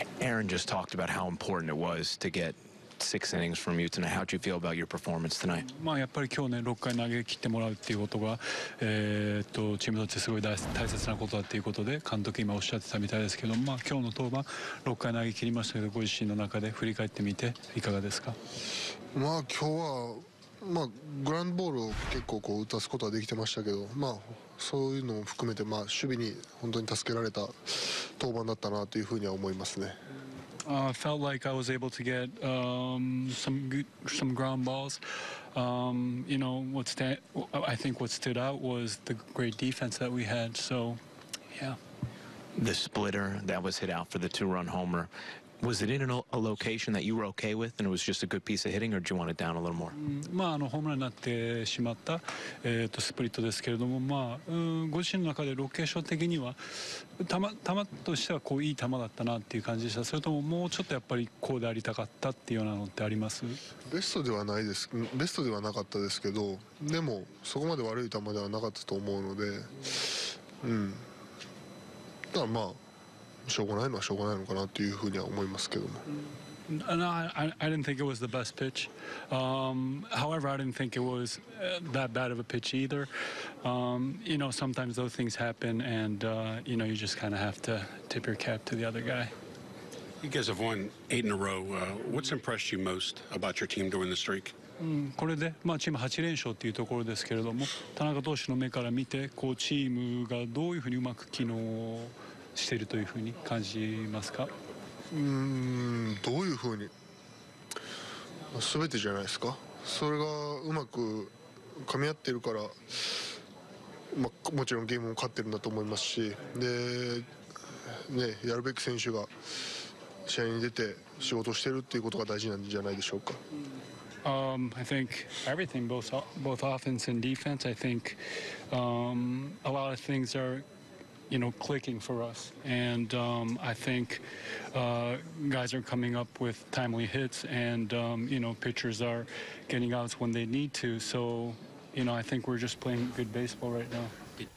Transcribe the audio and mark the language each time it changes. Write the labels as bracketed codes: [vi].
[en] Aaron just talked about how important it was to get six innings from you tonight. How do you feel about your performance tonight? [ja] まあやっぱり今日ね6回投げ切ってもらうっていうことがチームとしてすごい大切なことだっていうことで監督今おっしゃってたみたいですけど、まあ今日の登板6回投げ切りましたけどご自身の中で振り返ってみていかがですか？まあ今日はまあグランドボールを結構こう打たすことはできてましたけど、まあそういうのも含めてまあ守備に本当に助けられた登板だったなというふうには思いますね。 [en] Felt like I was able to get some ground balls. I think what stood out was the great defense that we had. So, yeah. The splitter that was hit out for the two-run homer, was it in a location that you were okay with and it was just a good piece of hitting, or do you want it down a little more? [ja] まああのホームランになってしまったスプリットですけれども、まあご自身の中でロケーション的には球としてはこういい球だったなっていう感じでした。それとももうちょっとやっぱりこうでありたかったっていうようなのってあります？ベストではないです。ベストではなかったですけど、でもそこまで悪い球ではなかったと思うので、うん。ただまあしょうがないのはしょうがないのかなというふうには思いますけども。 [en] No, I didn't think it was the best pitch. However, I didn't think it was that bad of a pitch either. You know, sometimes those things happen, and you know, you just kind of have to tip your cap to the other guy. You guys have won 8 in a row. What's impressed you most about your team during the streak? [ja] これで、まあ、チーム8連勝というところですけれども、田中投手の目から見て、こうチームがどういうふうにうまく機能をしているというふうに感じますか？どういうふうに、全てじゃないですか。それがうまく噛み合っているから、まあ、もちろんゲームも勝ってるんだと思いますし、で、ね、やるべき選手が試合に出て仕事をしているっていうことが大事なんじゃないでしょうか。 [en] I think everything, both offense and defense, I think a lot of things areYou know, clicking for us, and I think guys are coming up with timely hits, and you know, pitchers are getting outs when they need to. So, you know, I think we're just playing good baseball right now.